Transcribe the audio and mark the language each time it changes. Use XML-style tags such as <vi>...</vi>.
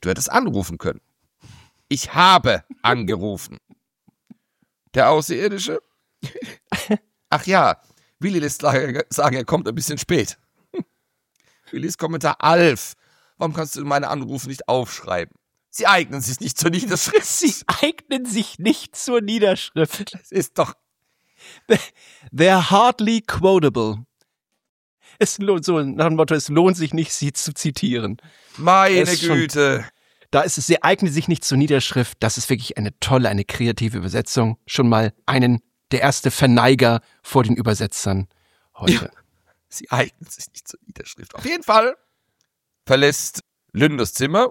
<de>Du hättest anrufen können. Ich habe angerufen. Der Außerirdische? Ach ja, Willi lässt sagen, er kommt ein bisschen spät. Willis Kommentar, Alf, warum kannst du meine Anrufe nicht aufschreiben? Sie eignen sich nicht zur Niederschrift. Sie eignen sich nicht zur Niederschrift. Das ist doch...</de> <en>They're hardly quotable.</en> <de>Es lohnt, so nach dem Motto, es lohnt sich nicht, sie zu zitieren. Meine Güte. Schon, da ist es, sie eignen sich nicht zur Niederschrift. Das ist wirklich eine tolle, eine kreative Übersetzung. Schon mal der erste Verneiger vor den Übersetzern heute. Ja. Sie eignet sich nicht zur Niederschrift. Auf jeden Fall verlässt Lynn das Zimmer.</de>